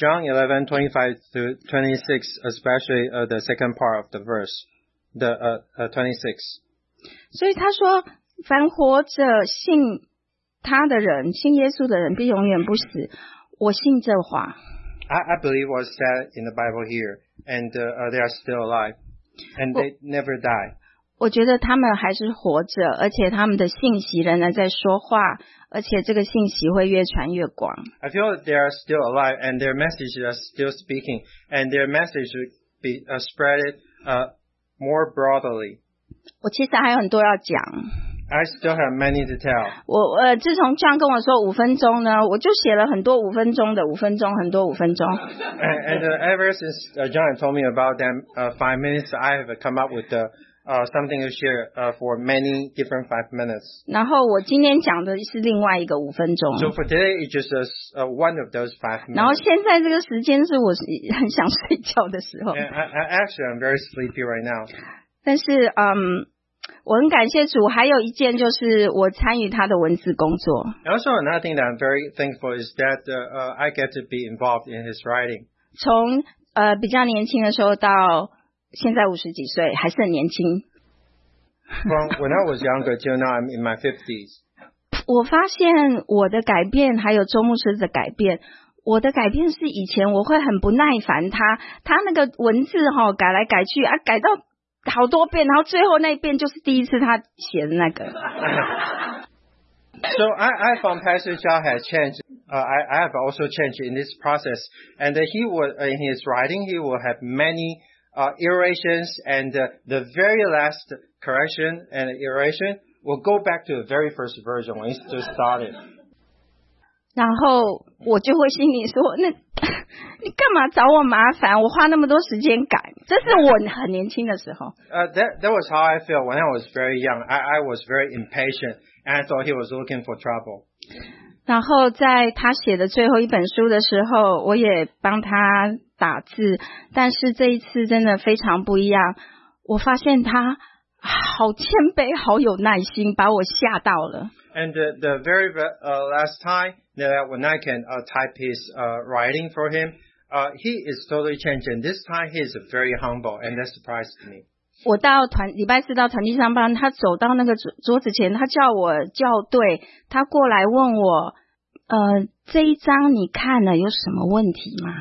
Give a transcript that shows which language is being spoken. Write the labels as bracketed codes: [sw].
[en] John 11:25-26, especially the second part of the verse, the 26. [zh] 所以他说，凡活着信他的人，信耶稣的人必永远不死。我信这话。 [en] I believe what's said in the Bible here, and they are still alive. And they never die. [zh] 我觉得他们还是活着，而且他们的信息仍然在说话，而且这个信息会越传越广。 [en] I feel they are still alive, and their message is still speaking, and their message would be spread more broadly. [zh] 我其实还有很多要讲。 [en] I still have many to tell. [zh] 我自从John跟我说五分钟呢，我就写了很多五分钟的五分钟，很多五分钟。 [en] And ever since John told me about them 5 minutes, I have come up with something to share for many different 5 minutes. [zh] 然后我今天讲的是另外一个五分钟。 [en] So for today, it's just one of those 5 minutes. [zh] 然后现在这个时间是我很想睡觉的时候。 [en] Actually, I'm very sleepy right now. [zh] 但是我很感谢主，还有一件就是我参与他的文字工作。 [en] Also, another thing that I'm very thankful is that I get to be involved in his writing. [zh] 从比较年轻的时候到现在五十几岁，还是很年轻。 [en] From when I was younger till now, I'm in my 50s. [zh] 我发现我的改变，还有周牧师的改变。我的改变是以前我会很不耐烦他那个文字哈、哦、改来改去啊，改到好多遍，然后最后那一遍就是第一次他写的那个。 [en] So I found Pastor Zhao has changed. I have also changed in this process. And he was in his writing, he will have many iterations, and the very last correction and iteration will go back to the very first version when he just started. [zh] 然后我就会心里说，那你干嘛找我麻烦？我花那么多时间改，这是我很年轻的时候。 [en] That was how I feel when I was very young. I was very impatient. And I thought he was looking for trouble. [zh] 然后在他写的最后一本书的时候，我也帮他打字，但是这一次真的非常不一样。我发现他好谦卑，好有耐心，把我吓到了。 [en] And the very last time that when I can type his writing for him, he is totally changed. And this time he is very humble, and that surprised me. [zh] 我到团礼拜四到团契上班，他走到那个桌子前，他叫我校对，他过来问我，这一章你看了有什么问题吗